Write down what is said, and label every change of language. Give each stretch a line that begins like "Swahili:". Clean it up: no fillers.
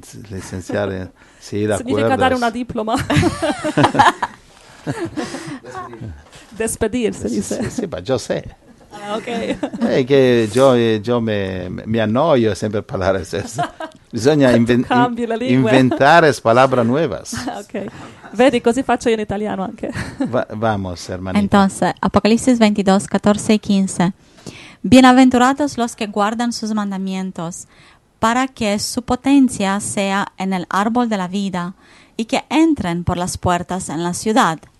Spanish: Licenciar en... Sí, de acuerdo. Significa dar una diploma. Despedirse, dice. Sí, pero yo sé. Ah, ok. Es que yo me annoio siempre a hablar de eso.
Italian: Bisogna inventare
Spanish: palabras nuevas.
Italian: Ok. Vedi, così faccio io in italiano anche.
Spanish: Vamos, hermanita. Entonces, Apocalipsis 22, 14 y 15. Bienaventurados los que guardan sus mandamientos, para que su potencia sea en el árbol de la vida y que entren por las puertas en la ciudad.